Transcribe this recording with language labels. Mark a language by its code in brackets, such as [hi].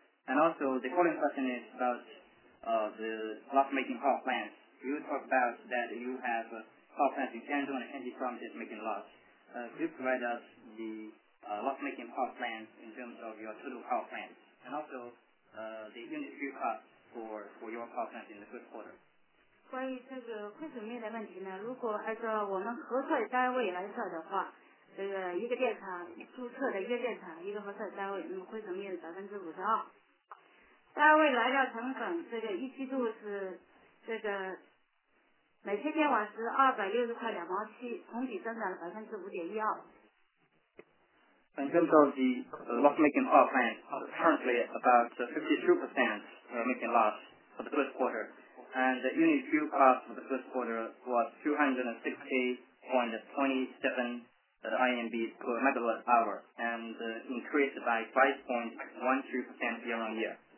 [en] And also, the following question is about the loss-making power plants. You talk about that you have power plants in Shandong and Shanxi province making loss. Could you provide us the loss-making power plants in terms of your total power plants? And also, the unit fuel cost for your power plants in the first quarter. [zh] 关于这个亏损面的问题呢，如果按照我们合作的单位来算的话，这个一个电厂注册的一个电厂，一个合作的单位，那么亏损面是52%。单位燃料成本，这个一季度是这个每千千瓦时260.27块，同比增长了5.12%。 [en] In terms of the loss-making power plant, currently about 52% making loss for the first quarter. And the unit fuel cost for the first quarter was 260.27 RMB per megawatt hour and increased by 5.12% year on year.